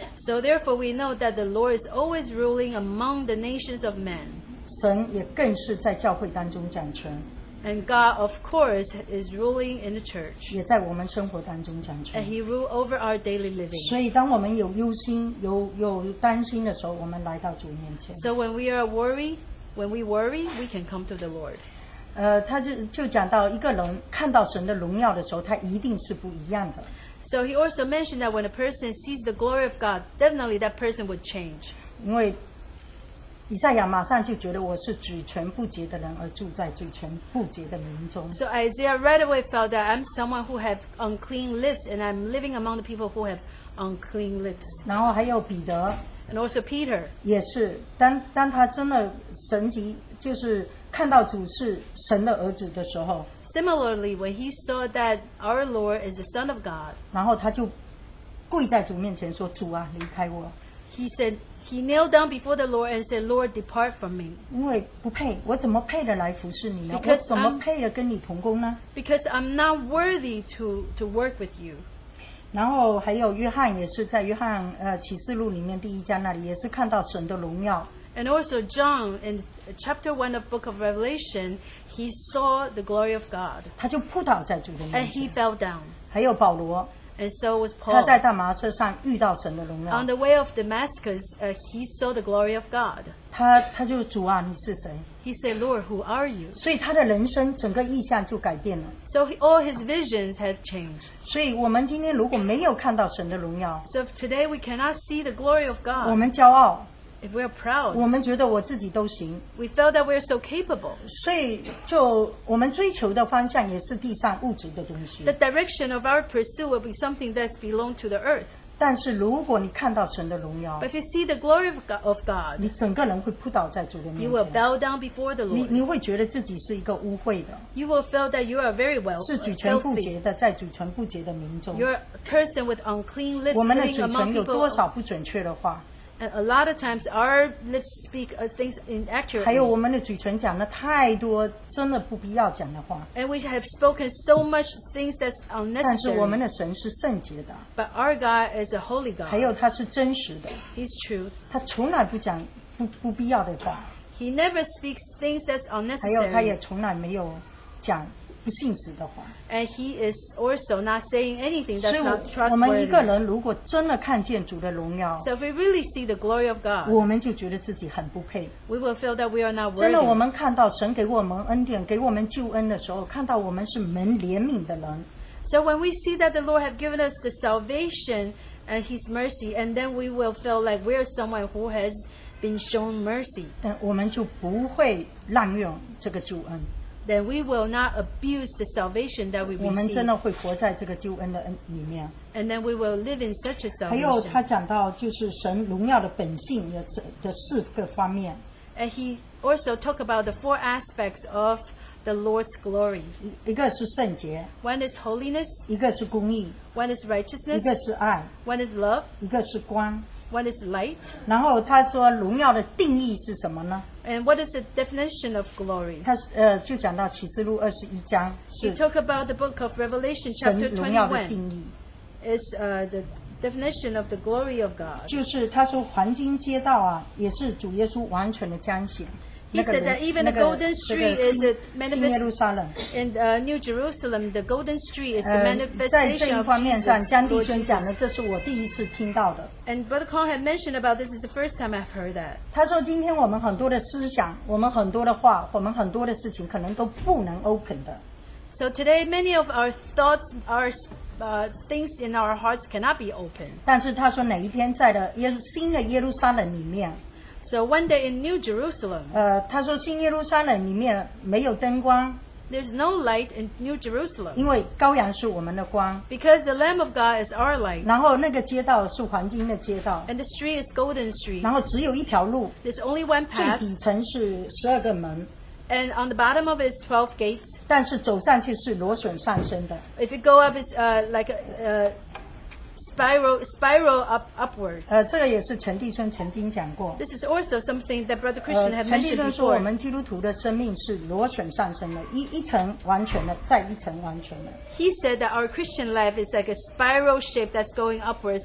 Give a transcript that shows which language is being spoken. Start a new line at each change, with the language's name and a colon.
English: So therefore we know that the Lord is always ruling among the nations of men.
Chinese: 神也更是在教会当中掌权。
English: And God, of course, is ruling in the church.
Chinese: 也在我们生活当中掌权。
English: And he rules over our daily living.
Chinese: 所以当我们有忧心,有担心的时候, 我们来到主面前。
English: So when we are worried, when we worry, we can come to the Lord.
Chinese: 他就讲到一个人看到神的荣耀的时候, 他一定是不一样的。
English: So he also mentioned that when a person sees the glory of God, definitely that person would change.
Chinese: 因为以赛亚马上就觉得我是举全不洁的人而住在举全不洁的民中。
English: So Isaiah right away felt that I'm someone who have unclean lips and I'm living among the people who have unclean lips.
Chinese: 然后还有彼得。
English: And also Peter.
Chinese: 也是，当他真的神迹，就是看到主是神的儿子的时候。
English: Similarly, when he saw that our Lord is the Son of God.
Chinese: 然后他就跪在主面前说：“主啊，离开我。”
English: He said he kneeled down before the Lord and said, "Lord, depart from me."
Chinese: 因为不配，我怎么配得来服侍你呢？我怎么配得跟你同工呢
English: ？Because I'm not worthy to work with you.
Chinese: 然后还有约翰也是在约翰启示录里面第一章那里也是看到神的荣耀。
English: And also John in chapter 1 of book of Revelation, he saw the glory of God.
Chinese: 他就扑倒在主的面前。
English: And he fell down.
Chinese: 还有保罗。
English: And so was Paul.
Chinese: 他在大马车上遇到神的荣耀。
English: On the way of Damascus, he saw the glory of God.
Chinese: 他就主啊，你是谁？
English: He said, Lord, who are you?
Chinese: 所以他的人生整个意象就改变了。
English: So all his visions had changed.
Chinese: 所以我们今天如果没有看到神的荣耀，
English: So if today we cannot see the glory of God,
Chinese: 我们骄傲。
English: If we are proud,
Chinese: 我们觉得我自己都行。
English: We felt that we are so capable.
Chinese: 所以就我们追求的方向也是地上物质的东西。
English: The direction of our pursuit will be something that belongs to the earth.
Chinese: 但是如果你看到神的荣耀，
English: But if you see the glory of God,
Chinese: 你整个人会扑倒在主的面前。
English: You will bow down before the Lord.
Chinese: 你会觉得自己是一个污秽的。
English: You will feel that you are very wealthy.
Chinese: 是举全不洁的，在举全不洁的民众。
English: You are a person with unclean lips.
Chinese: 我们的举全有多少不准确的话？
English: And a lot of times our lips speak things inaccurately.
Chinese: 还有我们的嘴唇讲了太多真的不必要讲的话。
English: And we have spoken so much things that's unnecessary.
Chinese: 但是我们的神是圣洁的。
English: But our God is a holy God.
Chinese: 还有他是真实的。
English: He's true.
Chinese: 他从来不讲不必要的话。
English: He never speaks things that's unnecessary.
Chinese: 还有他也从来没有讲不信实的话。
English: And he is also not saying anything that's not trustworthy.
Chinese: 所以我们一个人如果真的看见主的荣耀，
English: So if we really see the glory of God,
Chinese: 我们就觉得自己很不配。
English: We will feel that we are not worthy.
Chinese: 真的我们看到神给我们恩典，给我们救恩的时候，看到我们是蒙怜悯的人。
English: So when we see that the Lord have given us the salvation and his mercy, and then we will feel like we are someone who has been shown mercy.
Chinese: 但我们就不会滥用这个救恩。
English: Then we will not abuse the salvation that we receive.
Chinese: 我们真的会活在这个救恩的里面。
English: And then we will live in such a salvation.
Chinese: 还有他讲到就是神荣耀的本性的四个方面。
English: And he also talked about the four aspects of the Lord's glory.
Chinese: 一个是圣洁。
English: One is holiness.
Chinese: 一个是公义。
English: One is righteousness.
Chinese: 一个是爱。
English: One is love.
Chinese: 一个是光。
English: What is light?
Chinese: 然后他说荣耀的定义是什么呢？
English: And what is the definition of glory?
Chinese: 他就讲到启示录二十一章是。
English: He talked about the book of Revelation chapter 21.
Chinese: 神荣耀的定义。
English: It's the definition of the glory of God.
Chinese: 就是他说黄金街道啊，也是主耶稣完全的彰显。
English: He said that even the golden street is the manifestation.
Chinese: 新耶路撒冷。
English: In New Jerusalem, the golden street is the manifestation of Jesus.
Chinese: 在这一方面上，江弟兄讲的，这是我第一次听到的。
English: And Brother Kong had mentioned about this is the first time I've heard that.
Chinese: 他说今天我们很多的思想，我们很多的话，我们很多的事情，可能都不能 open 的。
English: So today, many of our thoughts, our things in our hearts cannot be opened.
Chinese: 但是他说哪一天在的新的耶路撒冷里面。
English: So one day in New Jerusalem.
Chinese: 他说新耶路撒冷里面没有灯光。
English: There's no light in New Jerusalem.
Chinese: 因为羔羊是我们的光。
English: Because the Lamb of God is our light.
Chinese: 然后那个街道是黄金的街道。
English: And the street is golden street.
Chinese: 然后只有一条路。
English: There's only one path.
Chinese: 最底层是十二个门。
English: And on the bottom of it is 12 gates.
Chinese: 但是走上去是螺旋上升的。
English: If you go up, it's like a spiral upwards.
Chinese: 这个也是陈弟兄曾经讲过。
English: This is also something that Brother Christian had mentioned before.
Chinese: 陈弟兄说，我们基督徒的生命是螺旋上升的，一层完全的，再一层完全的。
English: He said that our Christian life is like a spiral shape that's going upwards.